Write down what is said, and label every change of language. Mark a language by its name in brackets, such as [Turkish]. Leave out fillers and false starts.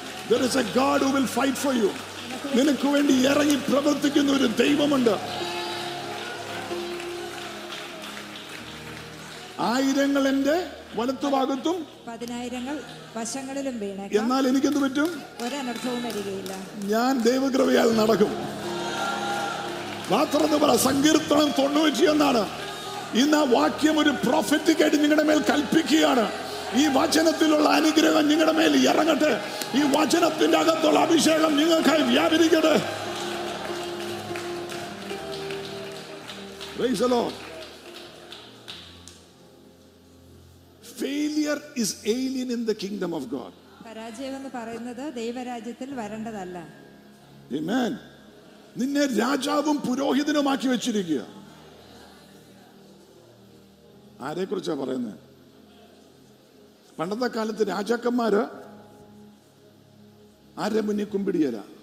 [English] There is a God who will fight for you. [Malayalam] നിനക്ക് വേണ്ടി ഇറങ്ങി പ്രവർത്തിക്കുന്ന ഒരു ദൈവമുണ്ട്. ആയിരങ്ങൾ എന്റെ വലത്തുഭാഗത്തും പതിനായിരങ്ങൾ വശങ്ങളിലും വീണേക്കും, എന്നാൽ എനിക്കെന്ത് പറ്റും? ഒരു അനർത്ഥവും വരികയില്ല. ഞാൻ ദൈവകൃപയാൽ നടക്കും. മാത്രം പറ സങ്കീർത്തനം 90 എന്നാണ്. ഇന്ന് ആ വാക്യം ഒരു പ്രോഫറ്റിക് ആയിട്ട് നിങ്ങളുടെ മേൽ കൽപ്പിക്കുകയാണ്. ഈ വചനത്തിലുള്ള അനുഗ്രഹം നിങ്ങളുടെ മേൽ ഇറങ്ങട്ടെ. ഈ വചനത്തിന്റെ അകത്തുള്ള അഭിഷേകം നിങ്ങൾക്കായി വ്യാപരിക്കട്ടെ. [English] Praise the Lord. Failure is alien in the kingdom of God. [Malayalam] പരാജയം എന്ന് പറയുന്നത് ദൈവരാജ്യത്തിൽ വരേണ്ടതല്ല. [English] Amen. [Malayalam] നിന്നെ രാജാവും പുരോഹിതനും ആക്കി വെച്ചിരിക്കുക. ആരെ കുറിച്ചാ പറയുന്നത്? പണ്ടത്തെ കാലത്ത് രാജാക്കന്മാര് ആരുടെ മുന്നിൽ കുമ്പിടിയരാ?